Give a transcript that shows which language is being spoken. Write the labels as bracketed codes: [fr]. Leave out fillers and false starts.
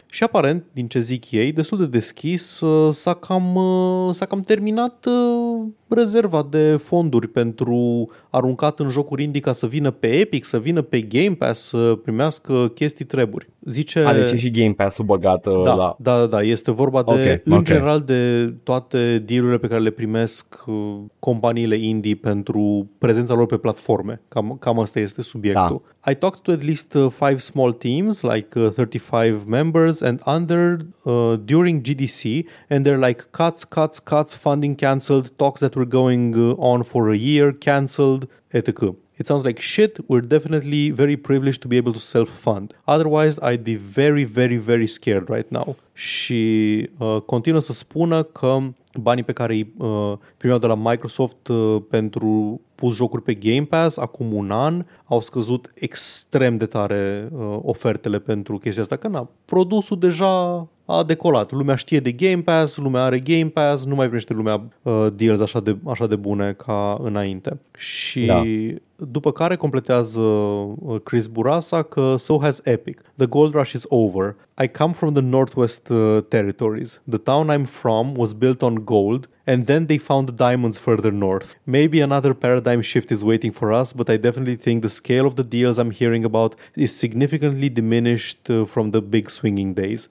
[ro] Și aparent, din ce zic ei, destul de deschis, s-a cam terminat rezerva de fonduri pentru aruncat în jocuri indie ca să vină pe Epic, să vină pe Game Pass, să primească chestii treburi. Zice... A, deci e și Game Pass-ul băgat da, la... Da, este vorba de, în general, de toate deal-urile pe care le primesc companiile indie pentru prezența lor pe platforme, cam asta este subiectul. Da. [en] I talked to at least 5 small teams, like 35 members and under during GDC, and they're like cuts, funding cancelled, talks that were going on for a year, cancelled, etc. It sounds like shit, we're definitely very privileged to be able to self-fund. Otherwise, I'd be very, very, very scared right now. [ro] Și continuă să spună că banii pe care îi primeau de la Microsoft pentru pus jocuri pe Game Pass, acum un an, au scăzut extrem de tare ofertele pentru chestia asta, că na, produsul deja a decolat. Lumea știe de Game Pass, lumea are Game Pass, nu mai primește lumea deals așa de bune ca înainte. Și da. După care completează Chris Burassa că [en] so has Epic. The gold rush is over. I come from the Northwest territories. The town I'm from was built on gold and then they found diamonds further north. Maybe another paradigm shift is waiting for us, but I definitely think the scale of the deals I'm hearing about is significantly diminished from the big swinging days.